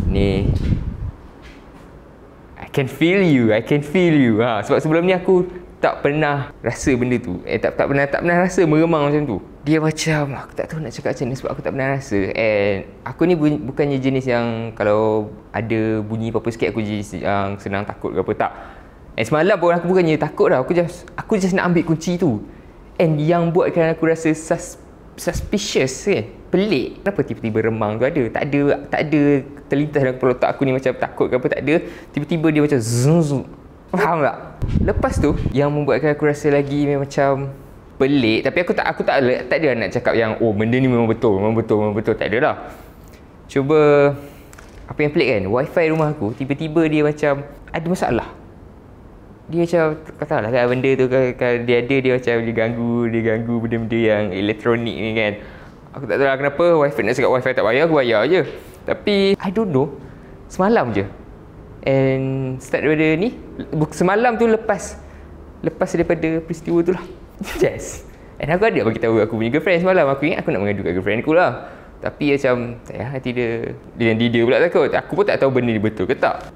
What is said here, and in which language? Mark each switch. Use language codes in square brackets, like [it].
[en] Ni I can feel you, I can feel you. [ms] Ha, sebab sebelum ni aku tak pernah rasa benda tu. Tak pernah rasa meremang macam tu. Dia macam aku tak tahu nak cakap macam ni sebab aku tak pernah rasa. And aku ni bukannya jenis yang kalau ada bunyi apa-apa sikit aku jenis yang senang takut ke apa, tak. And semalam pun aku bukannya takut lah. Aku just nak ambil kunci tu. And yang buatkan aku rasa suspicious kan. Pelik. Kenapa tiba-tiba remang tu ada? Tak ada terlintas dalam kepala otak aku ni macam takut ke apa, tak ada. Tiba-tiba dia macam zzzz. Faham tak? Lepas tu yang membuatkan aku rasa lagi macam pelik, tapi aku tak ada nak cakap yang oh benda ni memang betul, tak ada lah. Cuba apa yang pelik kan? Wi-Fi rumah aku tiba-tiba dia macam ada masalah. Dia macam katalah kan benda tu kalau dia ada dia macam dia ganggu benda-benda yang elektronik ni kan. Aku tak tahu lah kenapa Wi-Fi, nak cakap Wi-Fi tak bayar, aku bayar je. Tapi [en] I don't know, [ms] semalam je. And start daripada ni, semalam tu lepas daripada peristiwa tu lah. [en] Yes. [ms] And aku ada bagi tahu aku punya girlfriend semalam. Aku ingat aku nak mengadu kat girlfriend aku lah. Tapi macam tak payah hati dia pula takut. Aku pun tak tahu benda ni betul ke tak.